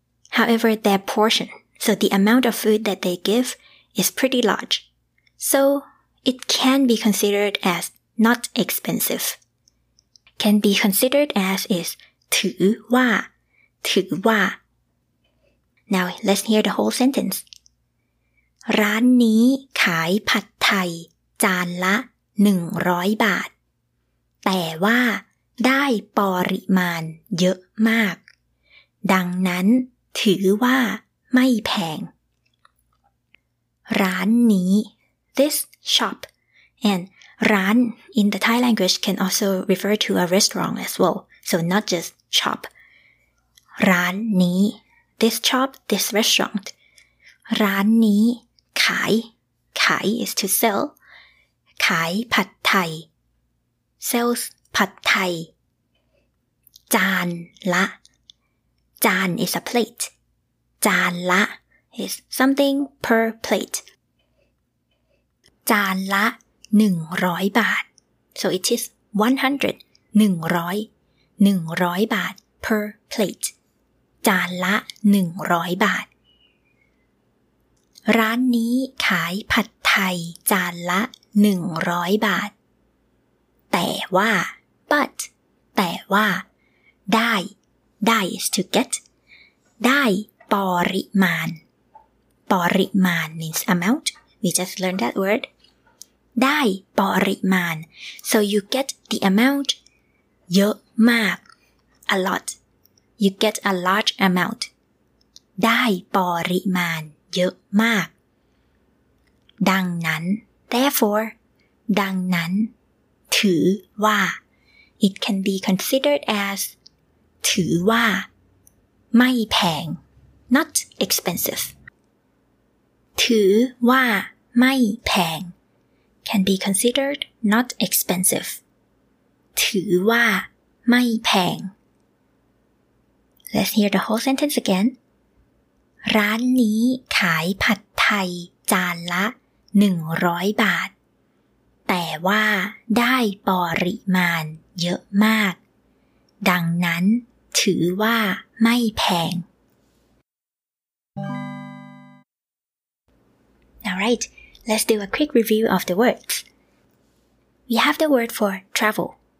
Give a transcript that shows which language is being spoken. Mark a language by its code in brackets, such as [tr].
[en] However, their portion, so the amount of food that they give, is pretty large. So, it can be considered as not expensive. Can be considered as is [zh] 此话此话 [en] Now, let's hear the whole sentence. [th] ร้านนี้ขายผัดไทยจานละ100บาทแต่ว่าได้ปริมาณเยอะมากดังนั้นถือว่าไม่แพงร้านนี้ [en] this shop and [th] ร้าน [en] in the Thai language can also refer to a restaurant as well so not just shop [th] ร้านนี้ [en] this shop this restaurant [th] ร้านนี้ขายขาย [en] is to sell [th] ขายผัดไทย [en] sells [th] ผัดไทยจานละจาน [en] is a plate [th] จานละ [en] is something per plate [th] จานละ100บาท [en] so it is 100 100 [th] 100บาท [en] per plate [th] จานละ100บาทร้านนี้ขายผัดไทยจานละ100บาทแต่ว่า [en] but [th] แต่ว่าได้ [en] is to get [th] ได้ปริมาณปริมาณ [en] means amount we just learned that word [th] ได้ปริมาณ [en] so you get the amount [th] เยอะมาก [en] a lot you get a large amount [th] ได้ปริมาณเยอะมากดังนั้น [en] therefore [th] ดังนั้นถือว่า [en] it can be considered as [th] ถือว่าไม่แพง [en] not expensive [th] ถือว่าไม่แพง [en] can be considered not expensive [th] ถือว่าไม่แพง [en] let's hear the whole sentence again [th] ร้านนี้ขายผัดไทยจานละ100บาทแต่ว่าได้ปริมาณเยอะมากดังนั้นถือว่าไม่แพง [en] Alright, let's do a quick review of the words. We have the word for travel.